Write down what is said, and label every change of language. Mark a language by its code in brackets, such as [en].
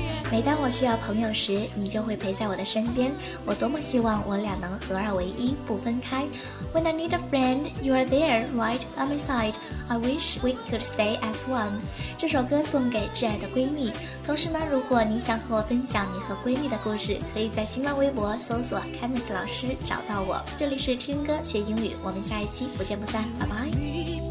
[zh] 每当我需要朋友时，你就会陪在我的身边。我多么希望我俩能合二为一，不分开。 [en] When I need a friend, you are there, right by my side. I wish we could stay as one. [zh] 这首歌送给挚爱的闺蜜。同时呢，如果你想和我分享你和闺蜜的故事，可以在新浪微博搜索 Candice 老师找到我。这里是听歌学英语，我们下一期不见不散，拜拜。